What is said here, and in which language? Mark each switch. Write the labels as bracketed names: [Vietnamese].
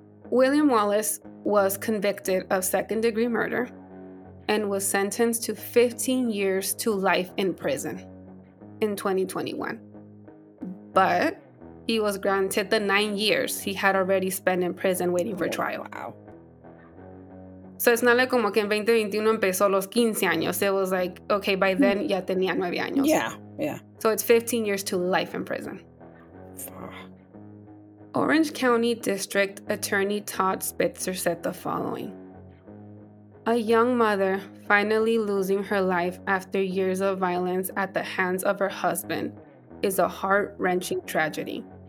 [English] William Wallace was convicted of second-degree murder and was sentenced to 15 years to life in prison in 2021. But he was granted the 9 years he had already spent in prison waiting for trial. Wow. So it's not like [Spanish] como que en 2021 empezó los 15 años. [English] It was like, okay, by then [Spanish] ya tenía 9 años. [English] Yeah, yeah. So it's 15 years to life in prison. Orange County District Attorney Todd Spitzer said the following. A young mother finally losing her life after years of violence at the hands of her husband is a heart-wrenching tragedy.